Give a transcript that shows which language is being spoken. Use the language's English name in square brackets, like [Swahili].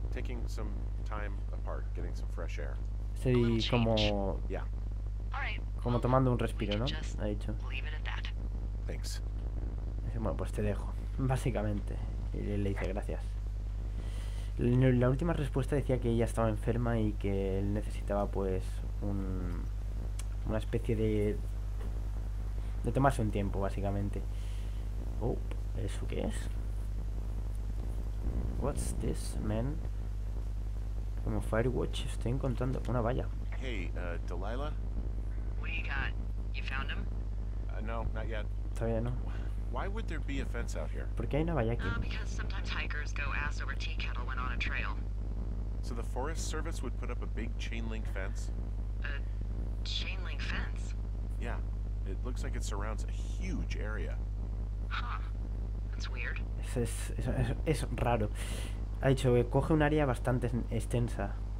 [English] Taking some time apart, getting some fresh air. [Spanish] Estoy como... [English] Yeah. [Spanish] Como tomando un respiro, ¿no? Ha dicho. [English] Thanks. [Spanish] Bueno, pues te dejo. Básicamente. Y le dice gracias. La última respuesta decía que ella estaba enferma y que él necesitaba, pues, una especie de... De tomarse un tiempo, básicamente. Oh, ¿eso qué es? [English] What's this, man? [Spanish] Como Firewatch, estoy encontrando una valla. [English] Hey, Delilah? What do you got? You found him? No, not yet. [Spanish] Todavía no. [English] Why would there be a fence out here? [Spanish] ¿Por qué hay una valla aquí? [English] Because sometimes hikers go ass over tea kettle when on a trail. So the Forest Service would put up a big chain link fence? A chain link fence? Yeah. It looks like it surrounds a huge area. That's weird. [Spanish] Es raro. Ha dicho que coge un área bastante extensa.